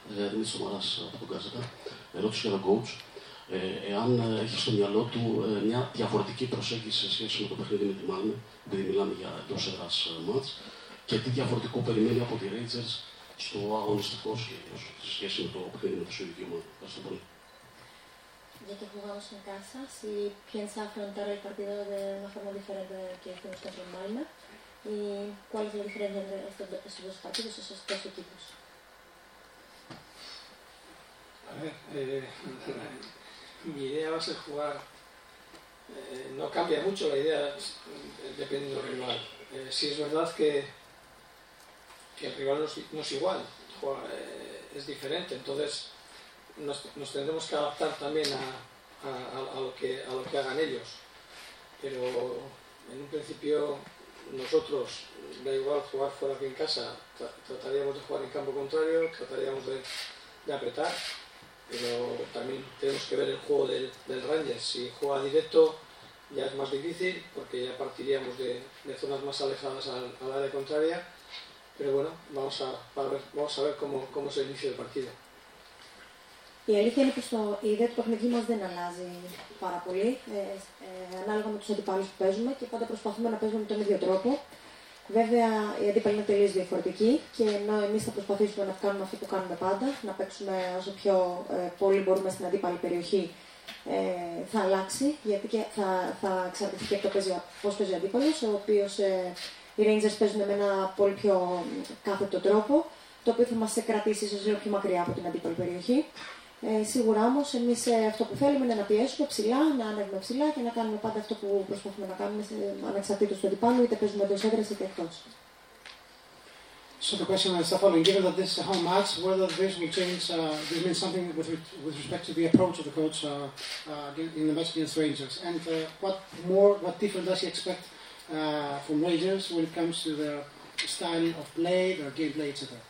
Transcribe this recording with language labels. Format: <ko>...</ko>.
<el>Δημήτρης Σομαράς από τον Γκάζετα. Ερώτηση για τον coach. Εάν έχει στο μυαλό του μια διαφορετική προσέγγιση σε σχέση με το παιχνίδι με τη Μάλμε, επειδή μιλάμε για εντός έδρας μάτς, και τι διαφορετικό περιμένει από τη Rangers στο αγωνιστικό σχέδιο σε σχέση με το παιχνίδι με το σχέδιο μου. Ευχαριστώ πολύ.</el> <es>Γιατί jugamos en casa, si piensa afrontar el partido de una forma diferente que hicimos contra Malmö, y cuál es la diferencia entre estos dos partidos, esos dos equipos. A ver, mi idea va a ser jugar. No cambia mucho la idea dependiendo del rival. Si es verdad que el rival no es igual, es diferente. Entonces, nos tendremos que adaptar también a lo que hagan ellos. Pero en un principio nosotros, da igual jugar fuera que en casa, trataríamos de jugar en campo contrario, trataríamos de apretar, pero también tenemos que ver el juego del Rangers. Si juega directo ya es más difícil, porque ya partiríamos de zonas más alejadas al área contraria. Pero bueno, vamos a ver cómo se inicia el partido.</es> <el>Η αλήθεια είναι πως το ιδέα του παιχνιδιού μας δεν αλλάζει πάρα πολύ, ανάλογα με τους αντιπάλους που παίζουμε και πάντα προσπαθούμε να παίζουμε με τον ίδιο τρόπο. Βέβαια, οι αντίπαλοι είναι τελείως διαφορετικοί και ενώ εμείς θα προσπαθήσουμε να κάνουμε αυτό που κάνουμε πάντα, να παίξουμε όσο πιο πολύ μπορούμε στην αντίπαλη περιοχή, θα αλλάξει, γιατί και θα εξαρτηθεί και από το πώς παίζει ο αντίπαλος, ο οποίος οι Rangers παίζουν με ένα πολύ πιο κάθετο τρόπο, το οποίο θα μας κρατήσει ίσως λίγο πιο μακριά από την αντίπαλη περιοχή. Σίγουρα όμως εμείς αυτό που θέλουμε είναι να πιέσουμε ψηλά, να ανέβουμε ψηλά και να κάνουμε πάντα αυτό που προσπαθούμε να κάνουμε ανεξαρτήτως του αντιπάλου, είτε παίζουμε εντός έδρας είτε εκτός.</el> <en>So the question is the following: given that this is a home match, whether this will change, this means something with respect to the approach of the coach in the match against Rangers, and what different does he expect from Rangers when it comes to their style of play, their gameplay, etc.</en>